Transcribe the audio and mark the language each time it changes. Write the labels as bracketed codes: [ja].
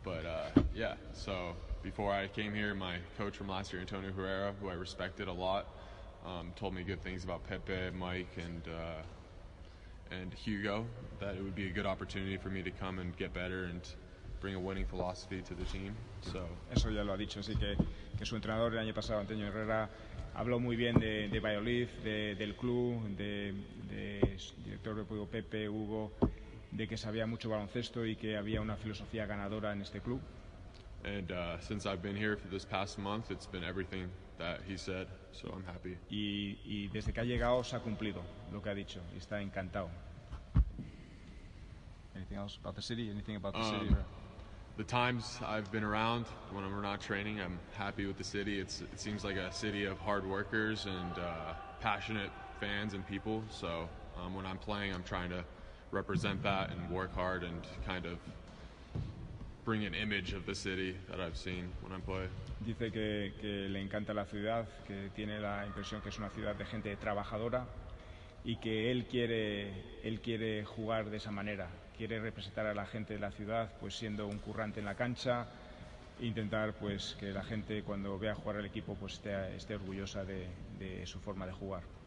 [en] But yeah, so before I came here, my coach from last year, Antonio Herrera, who I respected a lot, told me good things about Pepe, Mike, and Hugo, that it would be a good opportunity for me to come and get better and bring a winning philosophy to the team. So. [es] Eso ya lo ha dicho, así que su entrenador el año pasado, Antonio Herrera, habló muy bien de Valladolid, del club, de director deportivo Pepe, Hugo, de que sabía mucho baloncesto y que había una filosofía ganadora en este club. [en] And since I've been here for this past month, it's been everything that he said, so I'm happy. [es] Y desde que ha llegado se ha cumplido lo que ha dicho y está encantado. [en] Anything else about the city? Anything about the city? The times I've been around when we're not training, I'm happy with the city. It seems like a city of hard workers and passionate fans and people. So when I'm playing, I'm trying to represent that and work hard and kind of bring an image of the city that I've seen when I play. [es] Dice que le encanta la ciudad, que tiene la impresión que es una ciudad de gente trabajadora, y que él quiere jugar de esa manera. Quiere representar a la gente de la ciudad, pues siendo un currante en la cancha, intentar pues que la gente, cuando vea jugar al equipo, pues esté orgullosa de su forma de jugar.